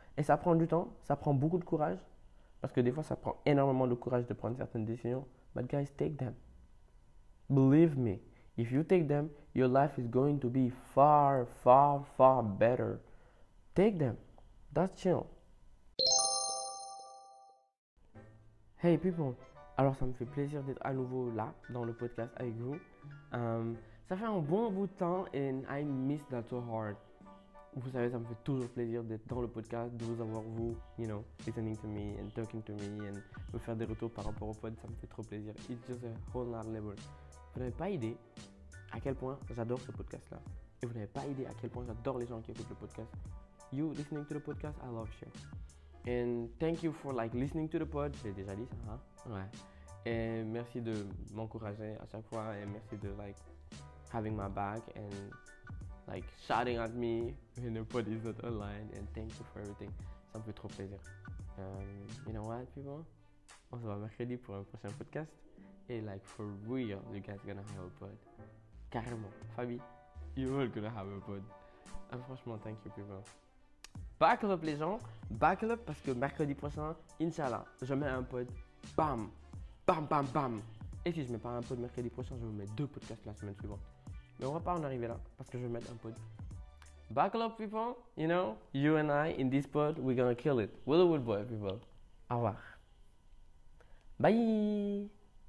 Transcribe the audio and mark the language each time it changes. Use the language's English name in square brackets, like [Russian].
[French] Et ça prend du temps, ça prend beaucoup de courage. Parce que des fois, ça prend énormément de courage de prendre certaines décisions. [English] But guys, take them. Believe me. If you take them, your life is going to be far, far, far better. Take them. That's chill. Hey people. [French] Alors, ça me fait plaisir d'être à nouveau là, dans le podcast avec vous. Ça fait un bon bout de temps [English] and I miss that so hard. [French] Vous savez, ça me fait toujours plaisir d'être dans le podcast, de vous avoir vous, [English] listening to me and talking to me [French] and me faire des retours par rapport au pod. Ça me fait trop plaisir. [English] It's just a whole nother level. [French] Vous n'avez pas idée à quel point j'adore ce podcast-là. Et vous n'avez pas idée à quel point j'adore les gens qui écoutent le podcast. [English] You listening to the podcast, I love you. And thank you for like listening to the pod. [French] J'ai déjà dit ça, hein? Ouais. Et merci de m'encourager à chaque fois. Et merci de [English] like having my back and like shouting at me when the pod is not online. And thank you for everything. [French] Ça me fait trop plaisir. [English] You know what, people? [French] On se voit mercredi pour un prochain podcast. [English] Et like for real, you guys are gonna have a pod. Carrément, Fabi, you're all gonna have a pod. Franchement, thank you people. Back up [French] les gens, [English] back up [French] parce que mercredi prochain, Inch'Allah, je mets un pod, bam, bam, bam, bam. Et si je mets pas un pod mercredi prochain, je vous mets deux podcasts la semaine suivante. Mais on va pas en arriver là parce que je vais mettre un pod. [English] Back up people, you and I in this pod, we're gonna kill it. Willowwood boy people, [French] au revoir. [English] Bye.